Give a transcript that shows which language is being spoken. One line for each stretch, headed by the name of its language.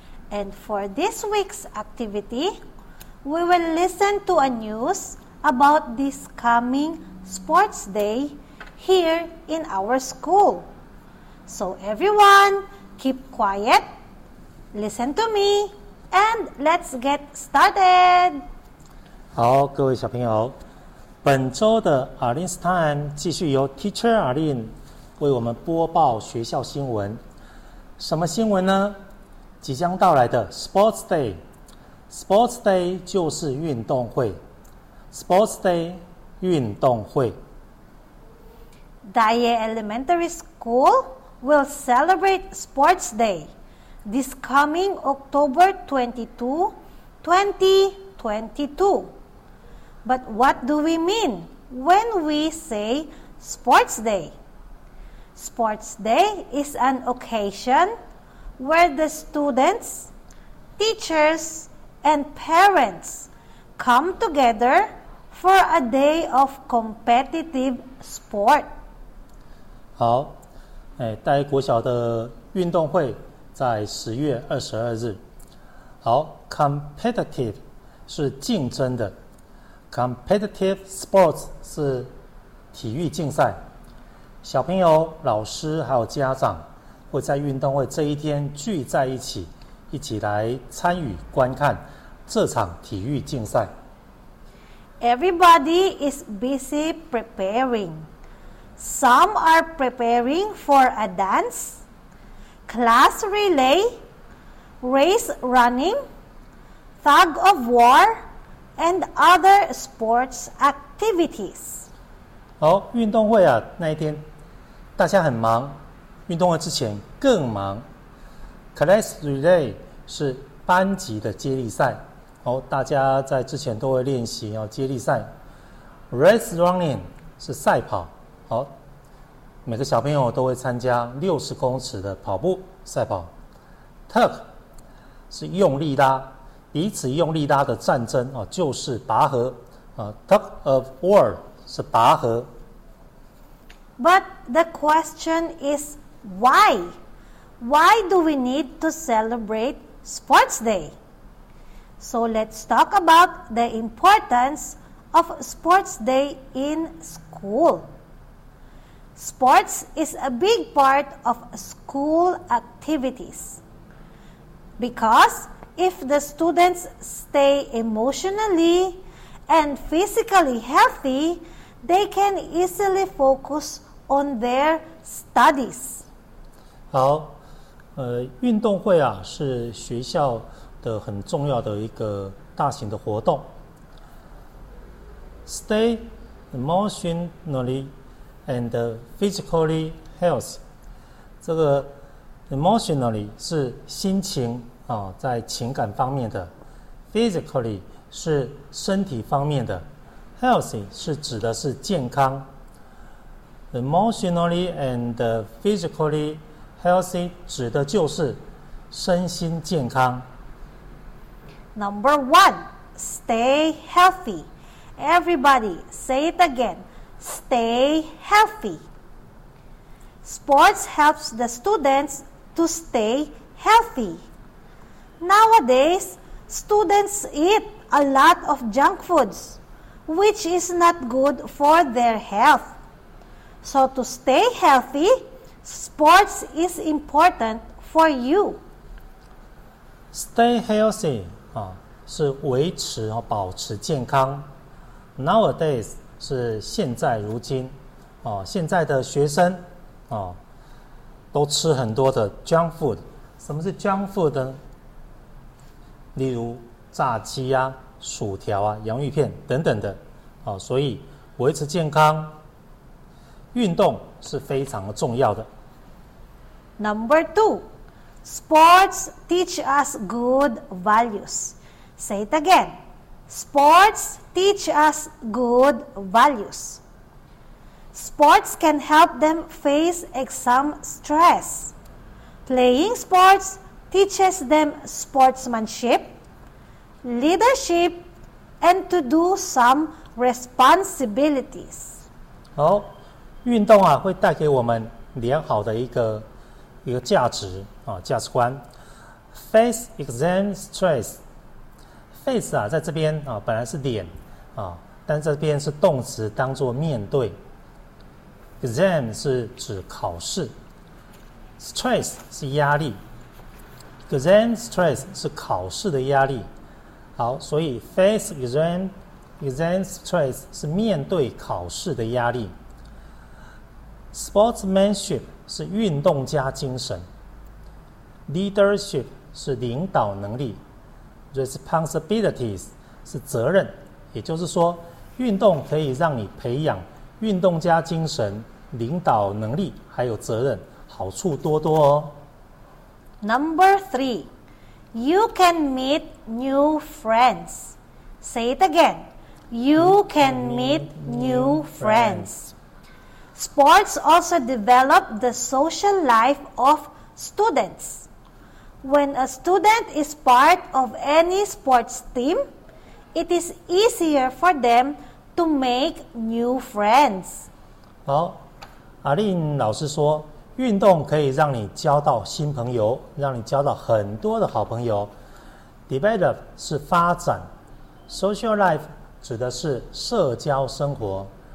English: And for this week's activity, we will listen to a news about this coming sports day here in our school. So everyone, keep quiet, listen to me, and let's get started.
Chinese: 好，各位小朋友，本周的 Arlene's Time 继续由 Teacher Arlene 为我们播报学校新闻。什么新闻呢？即将到来的 Sports Day。Sports Day 就是运动会。 Sports Day 运动会。
English: Daye Elementary School will celebrate Sports Day this coming October 22, 2022. But what do we mean when we say Sports Day? Sports Day is an occasion where the students, teachers, and parents come together for a day of competitive sport.
Chinese: 好，大爷国小的运动会在10月22日。好， competitive 是竞争的。 Competitive sports 是体育竞赛，小朋友、老师还有家长会在运动会这一天聚在一起，一起来参与观看这场体育竞赛。
English: Everybody is busy preparing. Some are preparing for a dance, class relay, race running, tug of war. And other sports activities.
Chinese: 好，运动会啊，那一天大家很忙，运动会之前更忙。 Class relay 是班级的接力赛，好，大家在之前都会练习要接力赛。 Race running 是赛跑，好，每个小朋友都会参加60公尺的跑步赛跑。 Tug 是用力拉。彼此用力拉的战争就是拔河 Tug of war 是拔河。
English: But the question is why? Why do we need to celebrate Sports Day? So let's talk about the importance of Sports Day in school. Sports is a big part of school activities. BecauseIf the students stay emotionally and physically healthy, they can easily focus on their studies.
Chinese: 好，运动会啊，是学校的很重要的一个大型的活动。
English: Stay emotionally and physically healthy.
Chinese: 这个 emotionally 是心情。在情感方面的 ，physically 是身体方面的 ，healthy 是指的是健康。
English: Emotionally and physically healthy
Chinese: 指的就是身心健康。
English: Number one, stay healthy. Everybody, say it again. Stay healthy. Sports helps the students to stay healthy. Nowadays, students eat a lot of junk foods, which is not good for their health. So to stay healthy, sports is important for you. Stay healthy,
Chinese: 是维持和保持健康。 Nowadays, 是现在如今。现在的学生都吃很多的 junk food. 什么是 junk food 呢？例如炸鸡啊、薯条啊、洋芋片等等的，所以维持健康，运动是非常重要的。
English: Number two, sports teach us good values. Say it again. Sports teach us good values. Sports can help them face exam stress. Playing sports teaches them sportsmanship. Leadership and to do some responsibilities.
Chinese: 好，运动啊会带给我们良好的一个价值啊，价值观。
English: Face exam stress。
Chinese: Face 啊，在这边啊，本来是脸啊，但这边是动词，当作面对。 Exam 是指考试 ，stress 是压力。
English: Exam stress
Chinese: 是考试的压力。好，所以
English: face exam stress
Chinese: 是面对考试的压力。 Sportsmanship 是运动家精神。Leadership 是领导能力。 Responsibilities 是责任，也就是说，运动可以让你培养运动家精神、领导能力还有责任，好处多多哦。
English: Number three, you can meet new friends. Say it again. You can meet new friends. Sports also develop the social life of students. When a student is part of any sports team, it is easier for them to make new friends.
Chinese: 好，阿林老师说，运动可以让你交到新朋友，让你交到很多的好朋友。 Develop 是发展 ，social life 指的是社交生活。